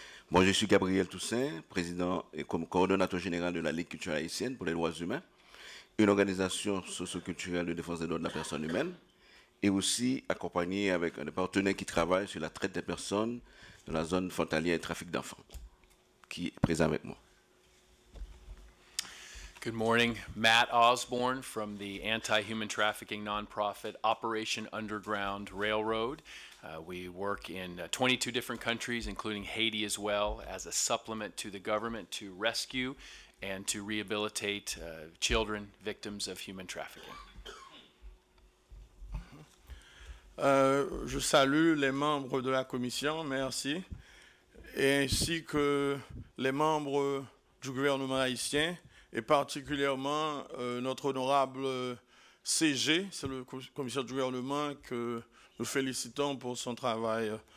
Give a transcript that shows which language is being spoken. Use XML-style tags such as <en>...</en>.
<fr>Moi, je suis Gabriel Toussaint, président et comme coordonnateur général de la Ligue culturelle haïtienne pour les droits humains, une organisation socioculturelle de défense des droits de la personne humaine. Et aussi accompagné avec un partenaire qui travaille sur la traite des personnes dans la zone frontalière et trafic d'enfants, qui est présent avec moi.</fr> <en>Good morning, Matt Osborne from the anti-human trafficking nonprofit Operation Underground Railroad. We work in 22 different countries, including Haiti as well, as a supplement to the government to rescue and to rehabilitate children victims of human trafficking.</en> <fr>Je salue les membres de la commission, merci, ainsi que les membres du gouvernement haïtien et particulièrement notre honorable CG, c'est le commissaire du gouvernement, que nous félicitons pour son travail.</fr>